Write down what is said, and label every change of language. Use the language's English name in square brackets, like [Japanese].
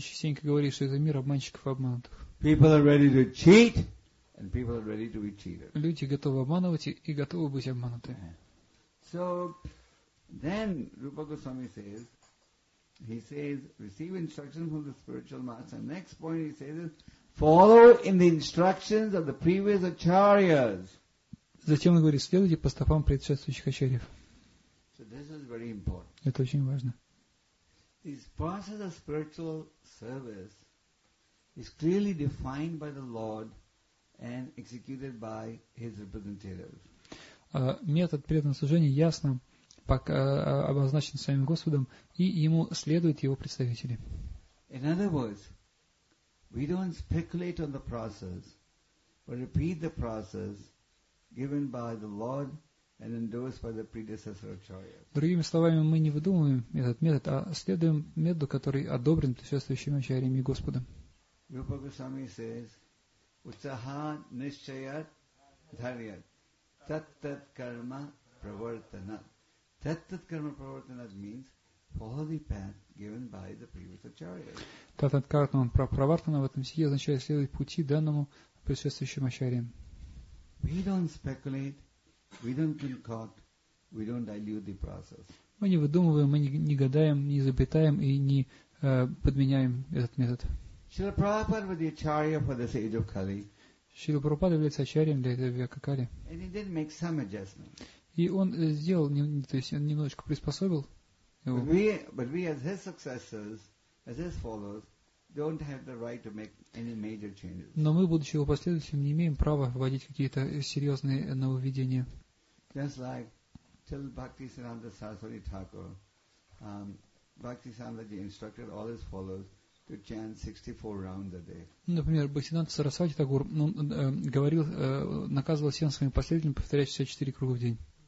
[Russian] частенько говорит, что это мир обманщиков и обманутых. [English] People are ready to cheat, and people are ready to be cheated. [Russian] Люди готовы обманывать и готовы быть обманутыми. [English] So then Rupa Goswami says, receive instruction from the spiritual master. And next point he says is, follow in the instructions of the previous acharyas. [Russian] Затем он говорит, следуйте по стопам предшествующих ачарьев. [English] So this is very important. [Russian] Это очень важно. [English] This process of spiritual service is clearly defined by the Lord and executed by His representatives. [Russian] Метод преданного служения ясно обозначен самим Господом, и ему следуют его представители. [English] In other words, we don't speculate on the process, but repeat the process given by the Lord and endorsed by the predecessor acharyas. [Russian] Другими словами, мы не выдумываем этот метод, а следуем методу, который одобрен предшествующими ачарьями Господа. [English] Rupa Goswami says, [Sanskrit] "Utsaha nischayat dharyat tattat karma pravartanat." Tattat karma pravartanat [English] means follow the path given by the previous acharyas. [Sanskrit] Tattat karma pravartanat [Russian] в этом стихе означает следовать пути данному предшествующим ачарьям. [English] We don't speculate, we don't concoct, we don't dilute the process. [Russian] Мы не выдумываем, мы не гадаем, не изобретаем и не подменяем этот метод. [English] Srila Prabhupada was the acharya for this age of Kali. [Russian] Srila Prabhupada является ачарьем для этого века Кали. [English] And he did make some adjustments. [Russian] И он сделал, то есть он немножечко приспособил его. [English] But we as his successors, as his followers, don't have the right to make any major changes. [Russian] Но мы, будучи его последователями, не имеем права вводить какие-то серьезные нововведения. [English] Just like till Bhaktisiddhanta Saraswati Thakur, Bhaktisiddhanta ji instructed all his followers to chant 64 rounds a day. [Russian] Например, Бхактисиддханта Сарасвати Тхакур говорил, наказывал всем своим последователям повторять 64 круга в день.